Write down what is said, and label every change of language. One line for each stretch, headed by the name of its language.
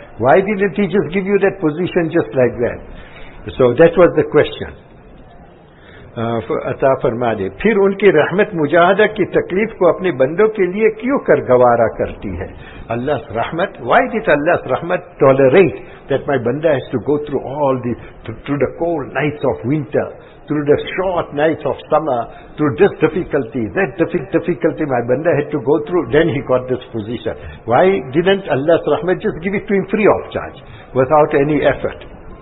English: Why didn't He just give you that position just like that? So that was the question.
Urdu: عطا فرما دے پھر ان کی رحمت مجاہدہ کی تکلیف کو اپنے بندوں کے لیے کیوں کر گوارا کرتی ہے.
English: اللہ's رحمت, why did Allah's رحمت tolerate that my banda has to go through all the through the cold nights of winter, through the short nights of summer, through this difficulty, that difficulty my banda had to go through, then he got this position. Why didn't Allah's رحمت just give it to him free of charge without any effort?